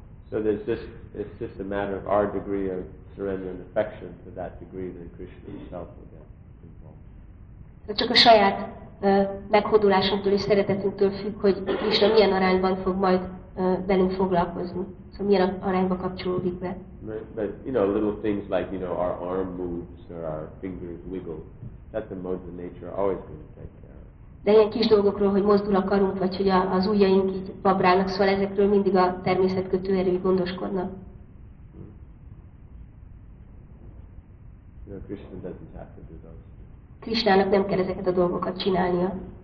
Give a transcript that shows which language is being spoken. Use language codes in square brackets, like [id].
[en] So there's just, it's just a matter of our degree of surrender and affection to that degree, then Krishna himself will get involved. [hu] Csak a saját meghódulásunktól és szeretetünktől függ, hogy Krishna milyen arányban fog majd velünk foglalkozni. Szóval milyen arányba kapcsolódik be. [en] But, you know, little things like, you know, our arm moves or our fingers wiggle, that's the modes of nature always going to take care of. [hu] De ilyen kis dolgokról, hogy mozdul a karunk, vagy hogy az ujjaink így babrálnak, szóval ezekről mindig a természetkötő erői gondoskodnak. [en] You know, Krishna doesn't have to do those. [hu] Krishnának nem kell ezeket a dolgokat csinálnia.